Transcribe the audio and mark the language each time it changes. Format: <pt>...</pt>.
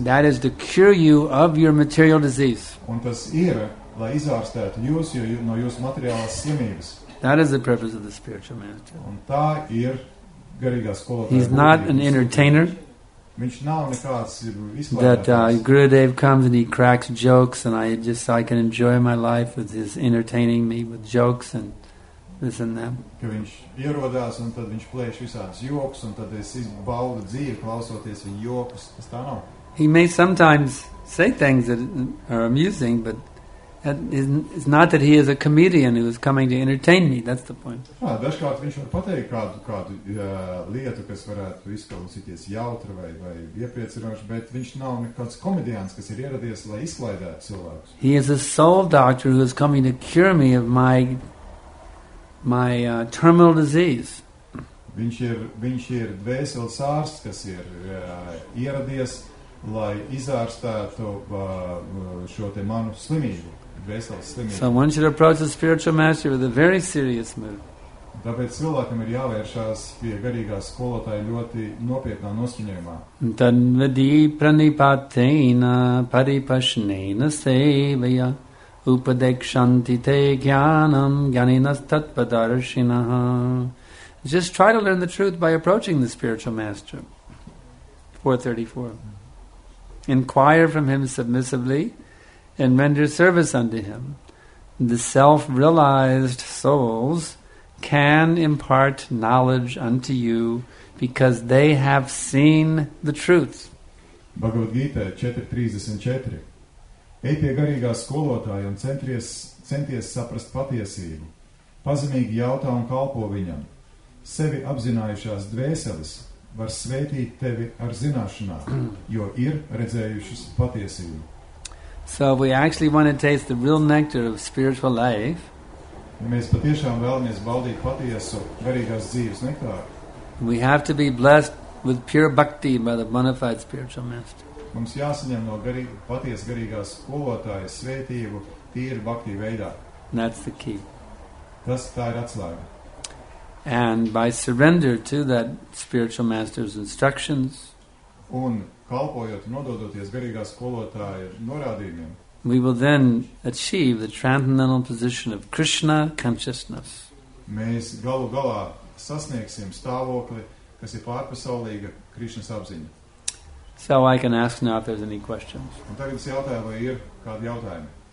<en>That is to cure you of your material disease.</en> <lv>Un tas ir, lai izārstētu jūs jo, no jūsu materiālās slimības.</lv> <en>That is the purpose of the spiritual master.</en> <lv>Un tā ir garīgā skolotāja.</lv> <en>He's not an entertainer.</en> <lv>Viņš nav nekāds izklājās.</lv> <en>That Gurudev comes and he cracks jokes and I can enjoy my life with his entertaining me with jokes and this and that.</en> <lv>Ka viņš ierodās un tad viņš plēš visādas jokas un tad es izbaudu dzīvi klausoties viņa jokas. Tas tā nav.</lv> <en>He may sometimes say things that are amusing, but it's not that he is a comedian who is coming to entertain me. That's the point.</en> <lv>Ah, dažkārt viņš var pateikt kādu lietu, kas varētu izklausīties jautri vai iepriecinoši, bet viņš nav nekāds komediāns, kas ir ieradies, lai izklaidētu cilvēkus.</lv> <en>He is a soul doctor who is coming to cure me of my terminal disease.</en> <lv>Viņš ir dvēseles ārsts, kas ir ieradies, lai izārstētu šo te manu slimību, dvēseles slimību.</lv> <en>So one should approach the spiritual master with a very serious mood.</en> <lv>Tāpēc cilvēkam ir jāvēršās pie garīgā skolotāja ļoti nopietnā noskaņojumā.</lv> <sa>Tad vedī pranipateina paripašneina sevajā. Upadekshanti te jnanam ganinas tatpadarshinaha.</sa> <en>Just try to learn the truth by approaching the spiritual master. 434. Inquire from him submissively and render service unto him. The self-realized souls can impart knowledge unto you because they have seen the truth. Bhagavad Gita 4.34.</en> <lv>Ej pie garīgā skolotāja un centies saprast patiesību. Pazemīgi jautā un kalpo viņam. Sevi apzinājušās dvēseles var svētīt tevi ar zināšanām, jo ir redzējušas patiesību.</lv> <en>So we actually want to taste the real nectar of spiritual life.</en> <lv>Ja mēs patiešām vēlamies baudīt patiesu garīgās dzīves nektāru.</lv> <en>We have to be blessed with pure bhakti by the bona fide spiritual master.</en> <lv>Mums jāsaņem no paties garīgās skolotāja svētību tīri bhakti veidā.</lv> <en>That's the key.</en> <lv>Tā ir atslēga.</lv> <en>And by surrender to that spiritual master's instructions,</en> <lv>un kalpojot un nododoties garīgā skolotāja norādījumiem,</lv> <en>we will then achieve the transcendental position of Krishna consciousness.</en> <lv>Mēs galu galā sasniegsim stāvokli, kas ir pārpasaulīga Krišnas apziņa.</lv> <en>So I can ask now if there's any questions.</en> <lv>Un tagad es jautāju, vai ir kādi jautājumi?</lv>